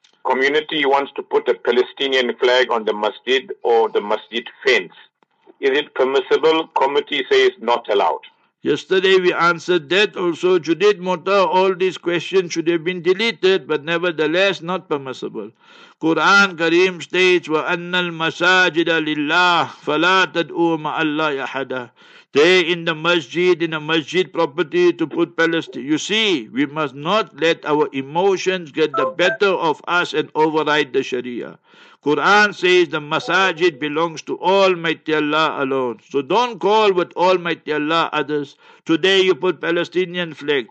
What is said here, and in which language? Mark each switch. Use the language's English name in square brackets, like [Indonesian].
[English] Community wants to put a Palestinian flag on the masjid or the masjid fence. Is it permissible? Committee says not allowed. Yesterday we answered that also. Judith Mota, all these questions should have been deleted, but nevertheless not permissible. Quran Kareem states, [Arabic] وَأَنَّ الْمَسَاجِدَ لِلَّهِ فَلَا تَدْعُوا مَعَ اللَّهِ أَحَدًا. [English] There in the masjid property to put Palestine. You see, we must not let our emotions get the better of us and override the Sharia. Quran says the masajid belongs to Almighty Allah alone. So don't call with Almighty Allah others. Today you put Palestinian flag.